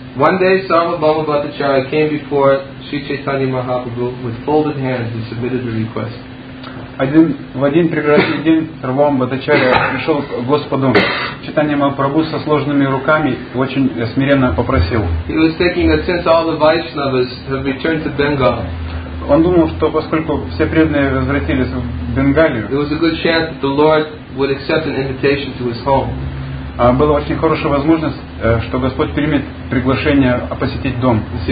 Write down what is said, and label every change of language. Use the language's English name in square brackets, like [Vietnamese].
[English] One day, Sarvabhauma Bhattacharya came before Sri Chaitanya Mahaprabhu with folded hands. He submitted a request. [Russian] Один в один прекрасный день Сарвабхаума Бхаттачарья пришел к Господу Чайтанья Махапрабху со сложными руками и очень смиренно попросил. [English] He was thinking that since all the Vaishnavas have returned to Bengal, [Russian] он думал, что поскольку все преданные возвратились в Бенгалию, [English] there was a good chance that the Lord would accept an invitation to his home. [Russian] Была очень хорошая возможность, что Господь примет приглашение посетить дом.